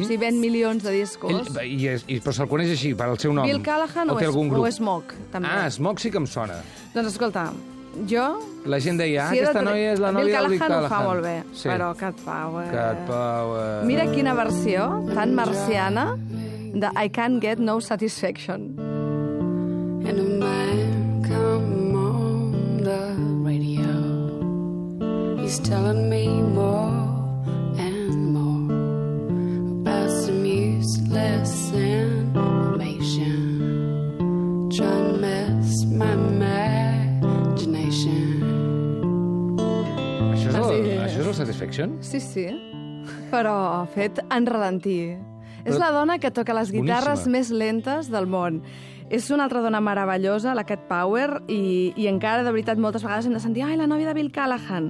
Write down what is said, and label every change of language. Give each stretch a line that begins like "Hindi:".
Catalan: O sigui, ven milions de discos. Ell, però se'l coneix així, pel seu nom. Bill Callahan o, Smog, també. Ah, Smog sí que em sona. Doncs escolta, jo... La gent deia, si aquesta noia és la nòvia del Bill Callahan. Bill Callahan ho fa molt bé, sí. Però Cat Power... Cat Power... Mira quina versió tan marciana...
English: The I can't get no satisfaction. And a man come on the radio. He's telling me more and more about some useless information. Trying to mess my imagination.
Catalan: Això és el Satisfaction? Sí, sí. Però fet en redantí. És la dona que toca les guitarres més lentes del món. És una altra dona meravellosa, la Cat Power, i encara, de veritat, moltes vegades hem de sentir «Ai, la nòvia de Bill Callahan».